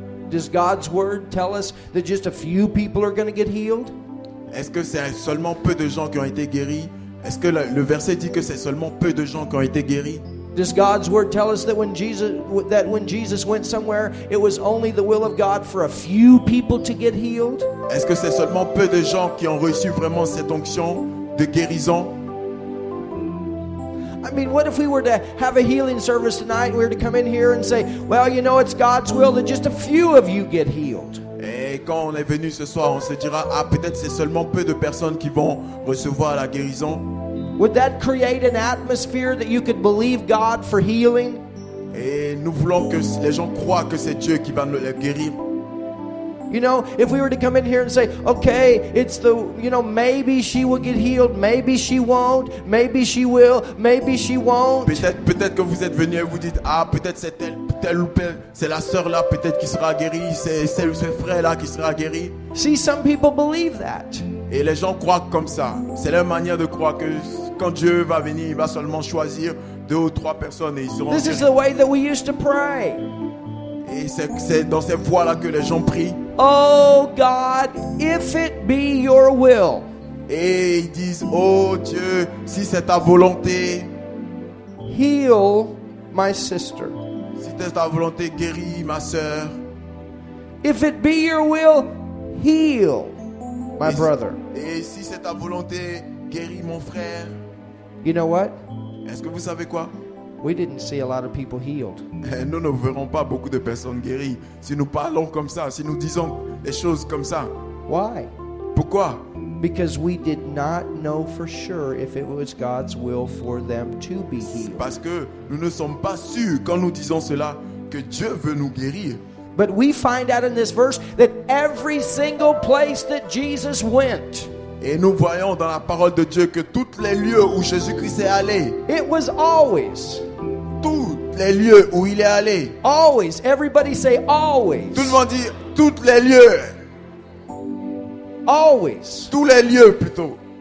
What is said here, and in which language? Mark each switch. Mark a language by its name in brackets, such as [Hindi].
[English] Does God's word tell us that just a few people are going to get healed? [French] Est-ce que c'est seulement peu de gens qui ont été guéris? Est-ce que le verset dit que c'est seulement peu de gens qui ont été guéris? [English] Does God's word tell us that when Jesus went somewhere, it was only the will of God for a few people to get healed? [French] Est-ce que c'est seulement peu de gens qui ont reçu vraiment cette onction de guérison? [English] I mean, what if we were to have a healing service tonight and we were to come in here and say, well, you know, it's God's will that just a few of you get healed. [French] Et quand on est venu ce soir, on se dira, ah, peut-être c'est seulement peu de personnes qui vont recevoir la guérison. [English] Would that create an atmosphere that you could believe God for healing? [French] Et nous voulons que les gens croient que c'est Dieu qui va les guérir. [English] You know, if we were to come in here and say, okay, it's the, you know, maybe she will get healed, maybe she won't, maybe she will, maybe she won't. [French] Peut-être que vous êtes venu et vous dites, ah, peut-être c'est elle, c'est la sœur là peut-être qui sera guérie, c'est ce frère là qui sera guéri. [English] See, some people believe that. [French] Et les gens croient comme ça. C'est leur manière de croire que quand Dieu va venir, il va seulement choisir deux ou trois personnes et ils seront. [English] This is the way that we used to pray. [French] Et c'est dans cette voie là que les gens prient. [English] Oh God, if it be your will. [French] Et ils disent, oh Dieu, si c'est ta volonté, [English] heal my sister. [French] Si c'est ta volonté, guéris ma sœur. [English] If it be your will, heal my brother. [French] Et si c'est ta volonté, guéris mon frère. [English] You know what? [French] Est-ce que vous savez quoi? [English] We didn't see a lot of people healed. [French] Nous ne verrons pas beaucoup de personnes guéries si nous parlons comme ça, si nous disons des choses comme ça. [English] Why? [French] Pourquoi? [English] Because we did not know for sure if it was God's will for them to be healed. [French] Parce que nous ne sommes pas sûrs quand nous disons cela que Dieu veut nous guérir. [English] But we find out in this verse that every single place that Jesus went. [French] Et nous voyons dans la parole de Dieu que toutes les lieux où Jésus-Christ est allé. [English] It was always. [French] Toutes les lieux où il est allé. [English] Always. Everybody say always. [French] Tout le monde dit toutes les lieux. [English] Always. [French] Tous les lieux plutôt.